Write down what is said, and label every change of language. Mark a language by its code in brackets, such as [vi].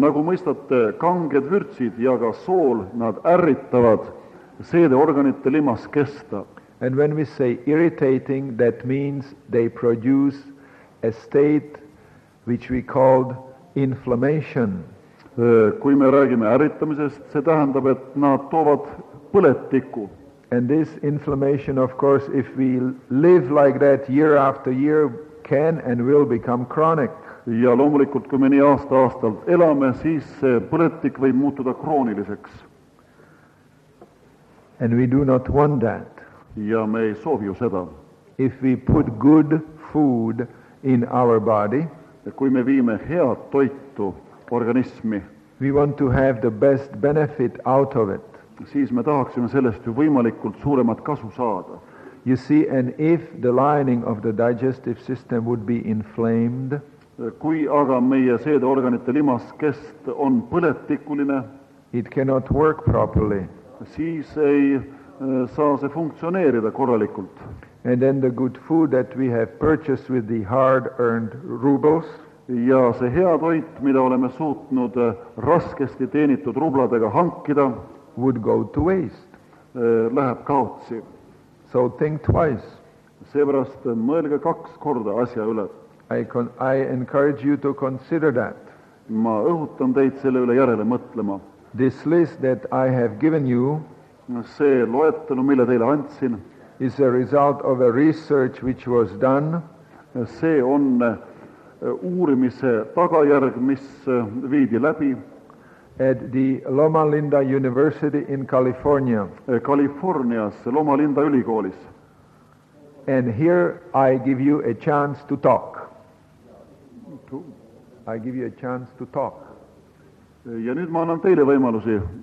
[et] Nagu mõistate, kanged vürtsid ja ka sool, nad ärritavad seede organite limas kesta. [en] And when we say irritating, that means they produce a state which we called inflammation. [et] Kui me räägime ärritamisest, see tähendab, et nad toovad põletiku. [en] And this inflammation, of course, if we live like that year after year, can and will become chronic. [et] Ja loomulikult, kui me nii aasta-aastalt elame, siis see põletik võib muutuda krooniliseks. [en] And we do not want that. [et] Ja me ei soovi ju seda. [en] If we put good food in our body, [et] kui me viime head toitu organismi, [en] we want to have the best benefit out of it. [et] Siis me tahaksime sellest ju võimalikult suuremat kasu saada. [en] You see, and if the lining of the digestive system would be inflamed, [et] kui aga meie seede organite limas kest on põletikuline, [en] it cannot work properly. [et] Siis ei saa see funktsioneerida korralikult. [en] And then the good food that we have purchased with the hard-earned rubles, [et] ja see hea toit, mida oleme suutnud raskesti teenitud rubladega hankida, [en] would go to waste. [et] Läheb kaotsi. [en] So think twice. [et] Seepärast mõelge kaks korda asja üle. [en] I encourage you to consider that. [et] Ma õhutan teid selle üle järele mõtlema. [en] This list that I have given you, [et] see loetelu, mille teile andsin, [en] is a result of a research which was done. [et] See on uurimise tagajärg, mis viidi läbi [en] at the Loma Linda University in California. [et] Kalifornias, Loma Linda ülikoolis. [en] And here I give you a chance to talk. I give you a chance to talk. [et] Ja nüüd ma annan teile võimalusi.